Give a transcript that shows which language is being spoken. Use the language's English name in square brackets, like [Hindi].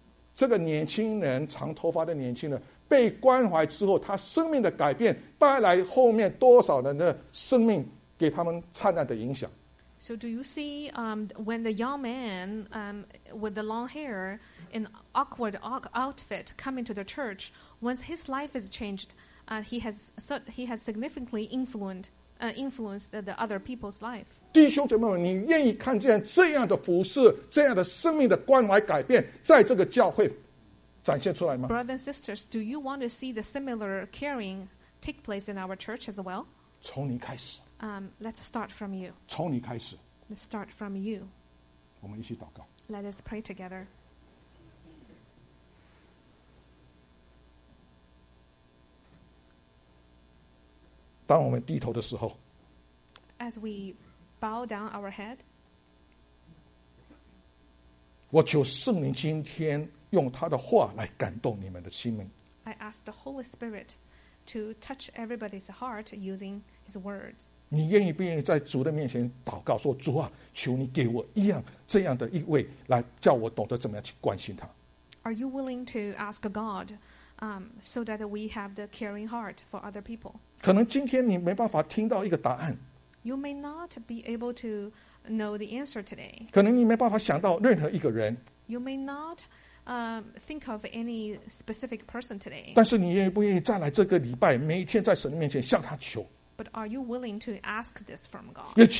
[Chinese] 所以他的太太家里人就都信主了。弟兄姐妹们，你看到这个年轻人，长头发的年轻人。被关怀之后，他生命的改变带来后面多少人的生命给他们灿烂的影响。 [English] So do you see when the young man with the long hair in awkward outfit coming to the church, once his life is changed, he has significantly influenced the other people's life. [Chinese] 弟兄姐妹们，你愿意看见这样的服侍，这样的生命的关怀改变，在这个教会？ [English] Brothers and sisters, do you want to see the similar caring take place in our church as well? [Chinese] 从你开始, [English] let's start from you. [Chinese] 从你开始, [English] let's start from you. [Chinese] 我们一起祷告。 [English] Let us pray together. [Chinese] 当我们低头的时候, [English] as we bow down our head, [Chinese] 我求圣灵今天 用他的话来感动你们的心门。 [English] I ask the Holy Spirit to touch everybody's heart using His words. [Chinese] 你愿意不愿意在主的面前祷告说，主啊，求你给我一样这样的一位，来叫我懂得怎么样去关心他。 [English] Are you willing to ask God, so that we have the caring heart for other people? [Chinese] 可能今天你没办法听到一个答案。 [English] You may not be able to know the answer today. [Chinese] 可能你没办法想到任何一个人。 [English] You may not. Think of any specific person today. [Chinese] 但是你愿不愿意再来这个礼拜，每一天在神面前向他求？ [English] But are you willing to ask this from God?